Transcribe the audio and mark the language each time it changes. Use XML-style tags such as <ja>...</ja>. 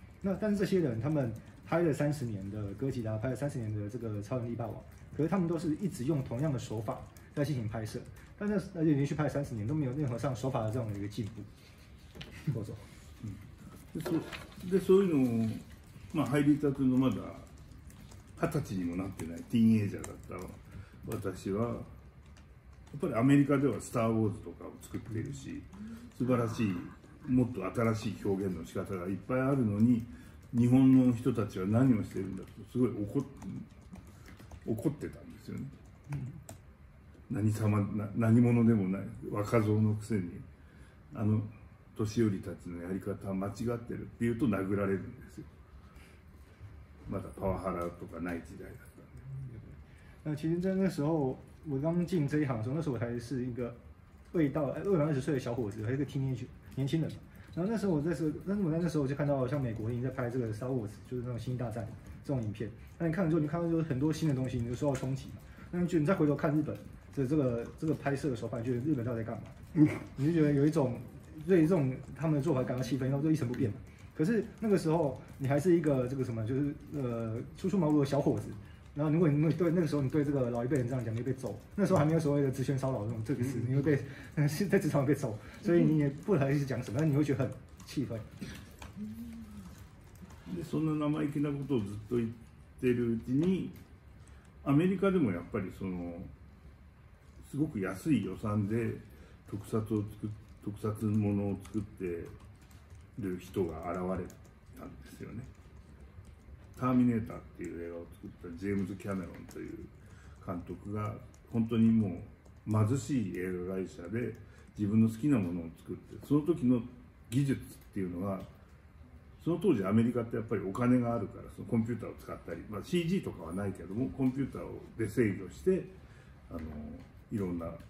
<zh>那但是这些人他们拍了30年的哥吉拉，拍了30年的这个超人力霸王，可是他们都是一直用同样的手法在进行拍摄，但是而且连续拍30年都没有任何上手法的这样的一个进步。郭总，所以呢。</zh> <ja>まあ、入りたてのまだ20歳にもなってないティーンエイジャーだった私は、やっぱりアメリカではスター・ウォーズとかを作っているし、素晴らしい、もっと新しい表現の仕方がいっぱいあるのに、日本の人たちは何をしているんだとすごい怒ってたんですよね。何者でもない若造のくせに、あの年寄りたちのやり方は間違ってるっていうと殴られるんですよ。まだパワハラとかない時代だったんで。</ja> <zh>那其实在那时候，我刚进这一行的时候，那时候我还是一个未满二十岁的小伙子，还是个年轻人。然后那时候我在那时候我就看到像美国人在拍这个《Star Wars》，就是那种《星际大战》这种影片。那你看了之后，你看到就是很多新的东西，你就受到冲击。那你再回头看日本的这个拍摄的手法，你觉得日本到底在干嘛？你就觉得有一种对这种他们的做法感到气愤，然后就一成不变。可是那个时候，你还是一个这个什么，就是初出茅庐的小伙子。然后，如果你对那个时候你对这个老一辈人这样讲，你会被揍。那时候还没有所谓的职权骚扰这种这个词，你会被在职场被揍。所以你也不好意思讲什么，但你会觉得很气愤。</zh> <ja>で、そんな生意気なことをずっと言ってるうちに、アメリカでもやっぱりそのすごく安い予算で特撮ものを作って。る人が現れたんですよね。ターミネーターっていう映画を作ったジェームズ・キャメロンという監督が、本当にもう貧しい映画会社で自分の好きなものを作って、その時の技術っていうのは、その当時アメリカってやっぱりお金があるから、そのコンピューターを使ったり、まあ、CG とかはないけども、コンピューターで制御してあのいろんな</ja>